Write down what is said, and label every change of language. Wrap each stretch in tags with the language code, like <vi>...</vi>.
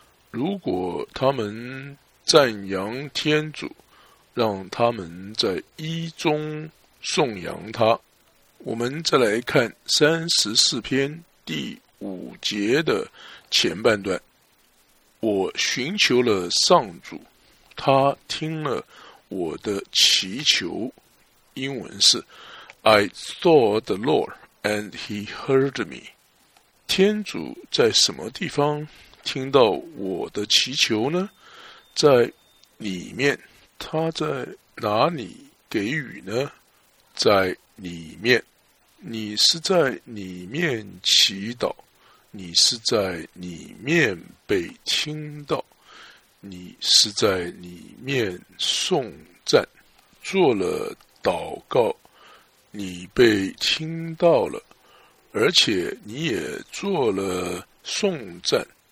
<zh>如果他们赞扬天主，让他们在一中颂扬他。我们再来看34篇第5节的前半段。我寻求了上主，他听了我的祈求。英文是</zh> <en>I sought the Lord and he heard me.</en> <zh>天主在什么地方听到我的祈求呢？在里面，他在哪里给予呢？在里面，你是在里面祈祷，你是在里面被听到，你是在里面颂赞，做了祷告，你被听到了，而且你也做了颂赞，</zh>